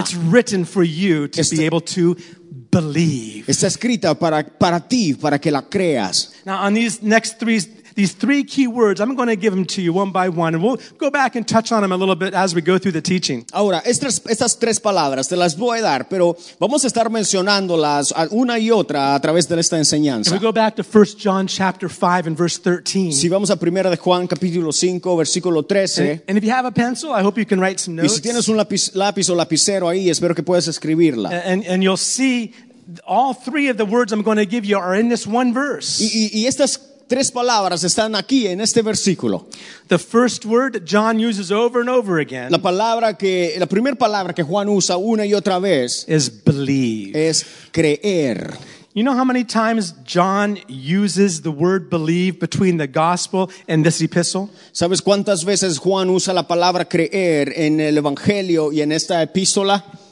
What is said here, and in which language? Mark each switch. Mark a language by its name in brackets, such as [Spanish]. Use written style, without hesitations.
[English] It's written for you to be able to believe. [Spanish] Está escrita para ti, para que la creas. [English] Now, on these three key words, I'm going to give them to you one by one, and we'll go back and touch on them a little bit as we go through the teaching. [Spanish] Ahora, estas tres palabras te las voy a dar, pero vamos a estar mencionándolas una y otra a través de esta enseñanza. [English] If we go back to 1 John chapter 5 and verse 13. [Spanish] Si vamos a 1 de Juan capítulo 5 versículo 13. [English] And if you have a pencil, I hope you can write some notes. [Spanish] Y si tienes un lápiz o lapicero ahí, espero que puedas escribirla. [English] And you'll see all three of the words I'm going to give you are in this one verse. [Spanish] Y estas tres palabras están aquí en este versículo. [English] The first word John uses over and over again. [Spanish] La primera palabra que Juan usa una y otra vez [English] is believe. [Spanish] Es creer. [English] You know how many times John uses the word believe between the gospel and this epistle? [Spanish] ¿Sabes cuántas veces Juan usa la palabra creer en el evangelio y en esta epístola?